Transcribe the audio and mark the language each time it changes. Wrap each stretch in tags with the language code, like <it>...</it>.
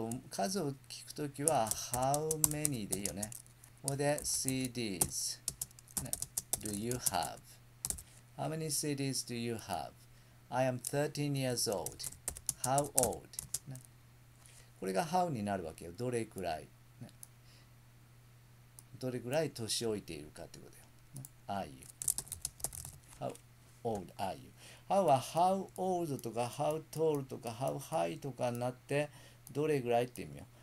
<ja>数を聞くときは、</ja> <en>how many</en> <ja>でいいよね。</ja> <en>これで、cities。ね、do you have? How many cities do you have? I am 13 years old. How old?</en> <ja>これが how になるわけよ。どれくらい、どれくらい年老いているかってことだよ。</ja> <en>Are you? How old are you? How は how old とか how tall とか how high</en> <ja>とかになってどれくらいって意味よ。</ja>